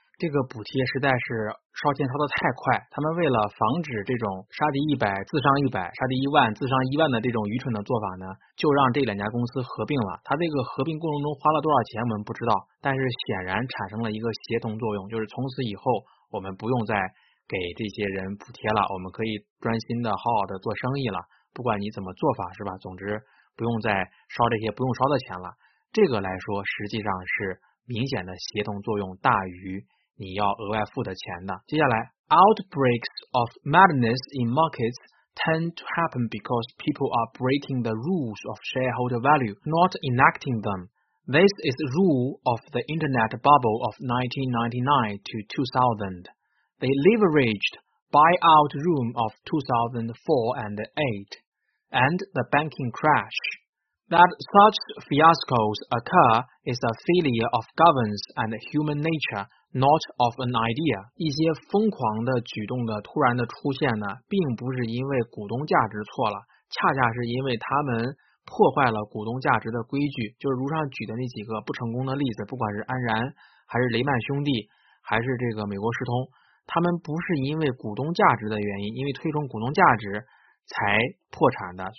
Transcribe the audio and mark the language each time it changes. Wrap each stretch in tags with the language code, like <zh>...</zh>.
<zh>这个补贴实在是烧钱烧得太快，他们为了防止这种杀敌一百自伤一百，杀敌一万自伤一万的这种愚蠢的做法呢，就让这两家公司合并了。他这个合并过程中花了多少钱我们不知道，但是显然产生了一个协同作用，就是从此以后我们不用再给这些人补贴了，我们可以专心的好好的做生意了，不管你怎么做法是吧，总之不用再烧这些不用烧的钱了。这个来说实际上是明显的协同作用大于你要额外付的钱的。接下来</zh> <en>Outbreaks of madness in markets tend to happen because people are breaking the rules of shareholder value, not enacting them. This is the rule of the internet bubble of 1999 to 2000. The leveraged buyout room of 2004 and 2008 and the banking crash. That such fiascos occur is a failure of governance and human natureNot of an idea.</en> <zh>一些疯狂的举动的突然的出现呢，并不是因为股东价值错了，恰恰是因为他们破坏了股东价值的规矩。就是如上举的那几个不成功的例子，不管是安然还是雷曼兄弟还是这个美国世通，他们不是因为股东价值的原因，因为推崇股东价值才破产的。</zh>